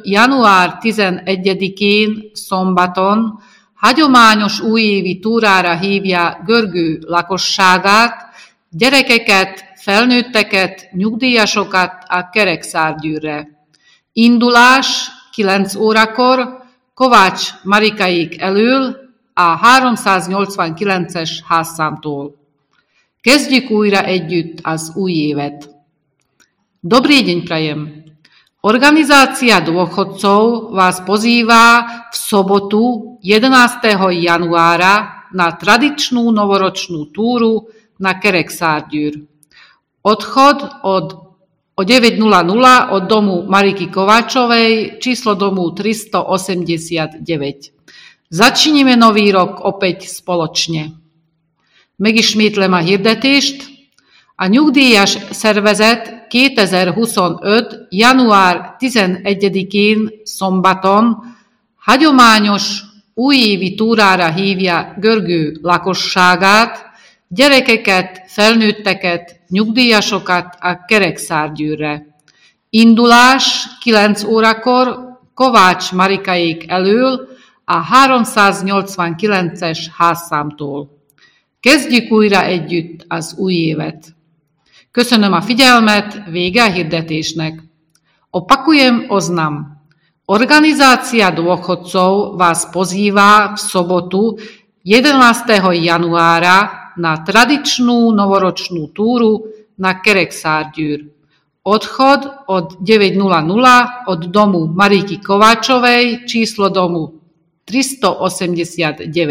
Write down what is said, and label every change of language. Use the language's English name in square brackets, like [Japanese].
[Hungarian] január 11-én szombaton hagyományos újévi túrára hívja Görgő lakosságát, gyerekeket, felnőtteket, nyugdíjasokat a Kerekszárgyűrre. Indulás 9 órakor Kovács Marikaik elől a 389-es házszámtól. Kezdjük újra együtt az új évet. [Slovak] Dobrý deň prajem. Organizácia dôchodcov vás pozýva v sobotu 11. januára na tradičnú novoročnú túru na Kerekszárgyűr. Odchod o 9:00 od domu Mariky Kováčovej, číslo domu 389. Začíname nový rok opäť spoločne. [Hungarian] Megismétlem a hirdetést. A nyugdíjas szervezet 2025. január 11-én szombaton hagyományos újévi túrára hívja Görgő lakosságát, gyerekeket, felnőtteket, nyugdíjasokat a Kerekszárgyűrre. Indulás 9 órakor Kovács Marikaik elől a 389-es házszámtól. Kezdjük újra együtt az új évet. Köszönöm a figyelmet, vége a hirdetésnek. [Slovak] Opakujem oznam. Organizácia dôchodcov vás pozýva v sobotu 11. januára na tradičnú novoročnú túru na Kerekszárgyűr. Odchod od 9:00 od domu Mariky Kováčovej, číslo domu 389.